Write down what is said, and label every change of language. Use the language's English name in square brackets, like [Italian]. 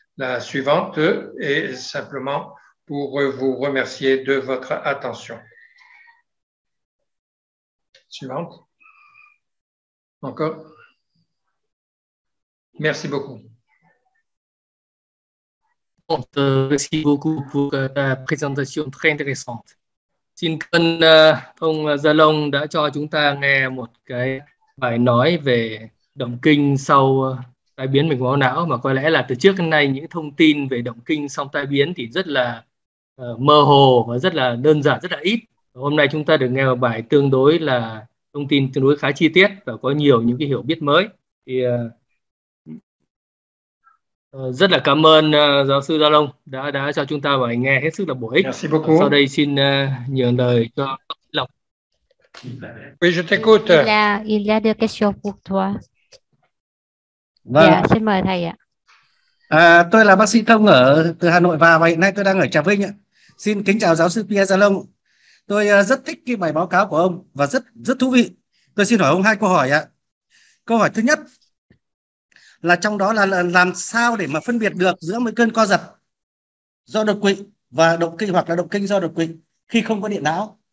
[French] La suivante est simplement pour vous remercier de votre attention. Suivante. Encore. Merci beaucoup. Merci beaucoup pour la présentation très intéressante. [Vietnamese] Xin cảm ơn ông Gia Long đã cho chúng ta nghe một cái bài nói về động kinh sau tai biến mạch máu não, mà có lẽ là từ trước đến nay những thông tin về động kinh sau tai biến thì rất là mơ hồ và rất là đơn giản, rất là ít. Hôm nay chúng ta được nghe một bài tương đối là thông tin tương đối khá chi tiết và có nhiều những cái hiểu biết mới. Thì rất là cảm ơn giáo sư Gia Long đã cho chúng ta bài nghe hết sức là bổ ích. Sau đây xin nhường lời cho Lộc. [French] Oui, je t'écoute. Il y a des questions pour toi. [Vietnamese] Vâng. Dạ, xin mời thầy ạ. Tôi là bác sĩ Thông ở từ Hà Nội và hiện nay tôi đang ở Trà Vinh ạ. Xin kính chào giáo sư Pierre Gia Long. Tôi rất thích cái bài báo cáo của ông và rất thú vị. Tôi xin hỏi ông hai câu hỏi ạ. Câu hỏi thứ nhất là trong đó là làm sao để mà phân biệt được giữa một cơn co giật do đột quỵ và động kinh hoặc là động kinh do đột quỵ khi không có điện não.